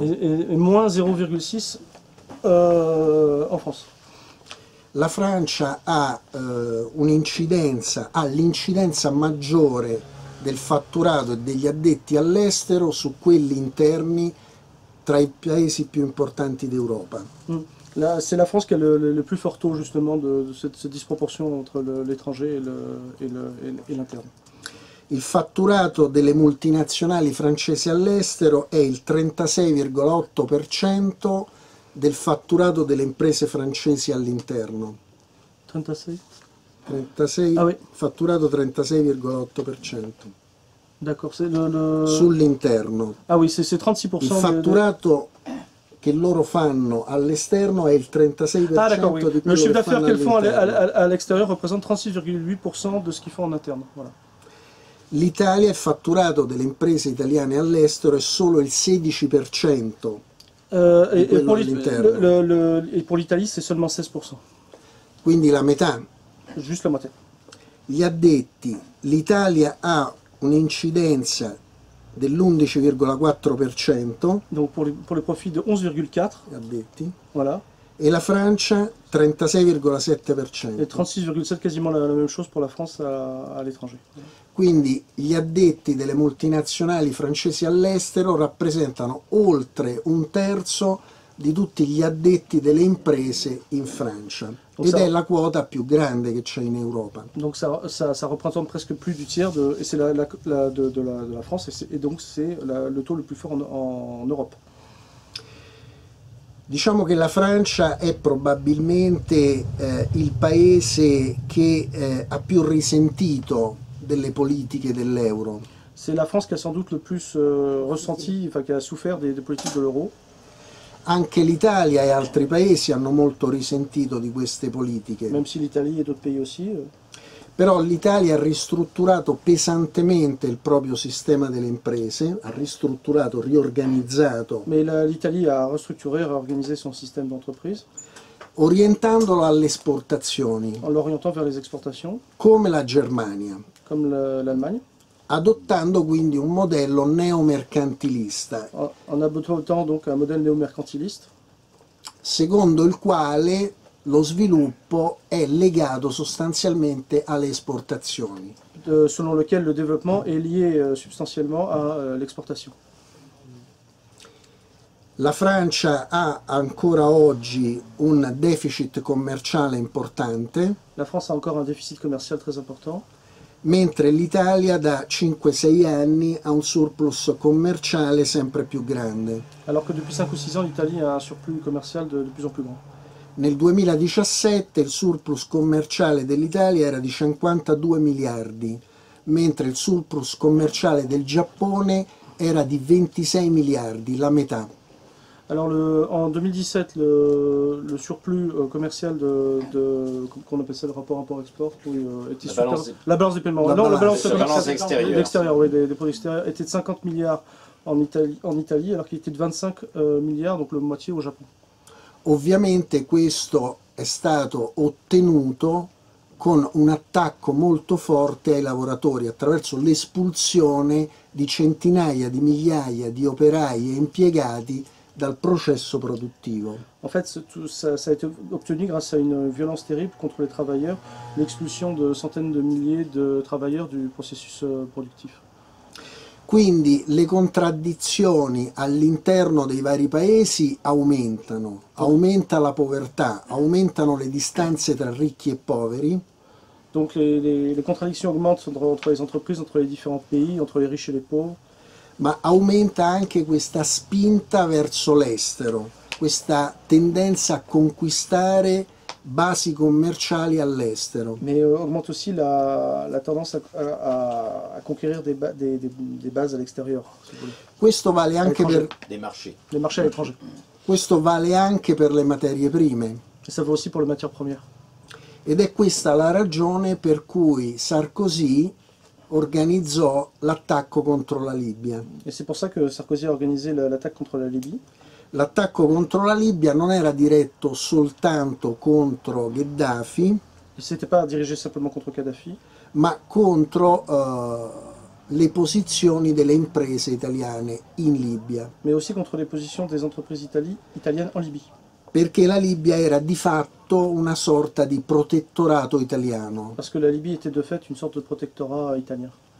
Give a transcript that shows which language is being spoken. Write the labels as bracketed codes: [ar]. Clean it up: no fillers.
[it] E meno 0,6%. [fr] En France. [it] La Francia ha l'incidenza maggiore del fatturato e degli addetti all'estero su quelli interni tra i paesi più importanti d'Europa. [fr] C'est la France qui a le plus fort taux justement de cette disproportion entre l'étranger et l'interno. [it] Il fatturato delle multinazionali francesi all'estero è il 36,8% del fatturato delle imprese francesi all'interno. 36? [fr] Ah, oui. Fatturato 36,8%. D'accord, c'est [it] sull'interno. [fr] Ah oui, c'est 36%. [it] Il fatturato che loro fanno all'esterno è il 36% di quello che fanno all'interno. [fr] Le chiffre d'affaires qu'ils font à l'extérieur représente 36,8% de ce qu'ils font en interne. Voilà. [it] L'Italia, il fatturato delle imprese italiane all'estero, è solo il 16%. [fr] Pour l'Italie, c'est seulement 16%. [it] Quindi la metà. [fr] Juste la moitié. [it] Gli addetti, l'Italia ha un'incidenza dell'11,4%. [fr] Donc pour les profits de 11,4%. [it] Gli addetti. [fr] Voilà. [it] E la Francia, 36,7%. [fr] Et 36,7%, quasiment la même chose pour la France à l'étranger. [it] Quindi gli addetti delle multinazionali francesi all'estero rappresentano oltre un terzo di tutti gli addetti delle imprese in Francia. Ed è la quota più grande che c'è in Europa. [fr] Donc ça représente presque plus du tiers de la France et donc c'est le taux le plus fort en Europe. [it] Diciamo che la Francia è probabilmente il paese che ha più risentito delle politiche dell'euro. [fr] c'est la France qui a sans doute le plus ressenti, enfin qui a souffert des politiques de l'euro. [it] Anche l'Italia e altri paesi hanno molto risentito di queste politiche. [fr] Même si l'Italie et d'autres pays aussi. [it] Però l'Italia ha ristrutturato pesantemente il proprio sistema delle imprese, ha ristrutturato, riorganizzato. Ma l'Italia ha ristrutturato e riorganizzato il suo sistema d'entreprise. Orientandolo alle esportazioni. [fr] En l'orientant vers les exportations. [it] Come la Germania. [fr] Comme l'Allemagne. [it] Adottando quindi un modello neomercantilista. [fr] En adottant donc un modèle néo-mercantiliste. [it] Secondo il quale lo sviluppo è legato sostanzialmente alle esportazioni. [fr] Selon lequel le développement est lié substantiellement à l'exportation. [it] La Francia ha ancora oggi un deficit commerciale importante. [fr] La France a encore un déficit commercial très important. [it] Mentre l'Italia da 5-6 anni ha un surplus commerciale sempre più grande. [fr] Alors que depuis 5 ou 6 ans l'Italie a un surplus commercial de plus en plus grand. [it] Nel 2017 il surplus commerciale dell'Italia era di 52 miliardi, mentre il surplus commerciale del Giappone era di 26 miliardi, la metà. [fr] Alors en 2017 le surplus commercial de qu'on appelle ça le rapport import export oui, était la, balance, la balance des paiements la balance extérieure l'extérieur oui, des produits extérieurs était de 50 milliards en Italie alors qu'il était de 25 milliards donc le moitié au Japon. [it] Ovviamente questo è stato ottenuto con un attacco molto forte ai lavoratori attraverso l'espulsione di centinaia di migliaia di operai e impiegati dal processo produttivo. [fr] En fait, ça a été obtenu grâce à une violence terrible contre les travailleurs, l'expulsion de centaines de milliers de travailleurs du processus productif. [it] Quindi le contraddizioni all'interno dei vari paesi aumentano, aumenta la povertà, aumentano le distanze tra ricchi e poveri. [fr] Donc les contradictions augmentent entre les entreprises, entre les différents pays, entre les riches et les pauvres. [it] Ma aumenta anche questa spinta verso l'estero, questa tendenza a conquistare basi commerciali all'estero. Ma aumenta aussi la tendenza a conquistare des basi all'estero. Questo vale anche per dei marchi. [fr] Les marchés à l'étranger. [it] Questo vale anche per le materie prime. [fr] E ça vaut aussi pour les matières premières. [it] Ed è questa la ragione per cui Sarkozy organizzò l'attacco contro la Libia. [fr] E c'est pour ça que Sarkozy a organisé l'attaque contre la Libye. [it] L'attacco contro la Libia non era diretto soltanto contro Gheddafi. [fr] C'était pas dirigé simplement contre Gheddafi. [it] Ma contro le posizioni delle imprese italiane in Libia. [fr] Mais aussi contre les positions des entreprises italiennes en Libye. [it] Perché la Libia era di fatto una sorta di protettorato italiano. [fr] Parce que la Libye était de fait une sorte de protectorat italien.